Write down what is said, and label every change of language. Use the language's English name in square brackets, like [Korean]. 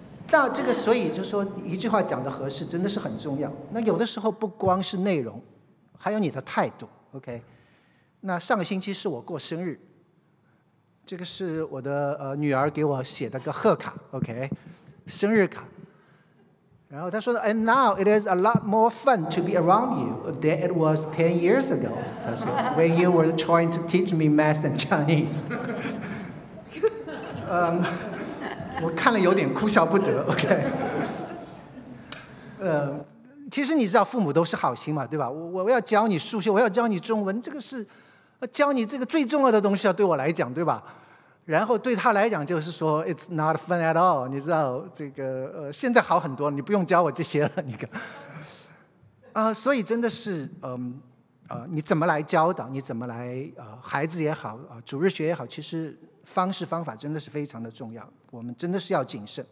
[Chinese] 那这个所以就是说一句话讲的合适真的是很重要。那有的时候不光是内容，还有你的态度。 OK， 那上个星期是我过生日，这个是我的女儿给我写的个贺卡。 OK， 生日卡。然后他说 [English] ：“And now it is a lot more fun to be around you than it was 10 years ago.” [Chinese] 他说 [English] ：“When you were trying to teach me math and Chinese.” [Chinese] 我看了有点哭笑不得。 OK， 其实你知道父母都是好心嘛，对吧？我要教你数学，我要教你中文，这个是教你这个最重要的东西啊，对我来讲，对吧？然后对他来讲就是说 [English] It's not fun at all， [Chinese] 你知道这个现在好很多了，你不用教我这些了，你看所以真的是你怎么来教导，你怎么来孩子也好主日学也好，其实方式方法真的是非常的重要，我们真的是要谨慎。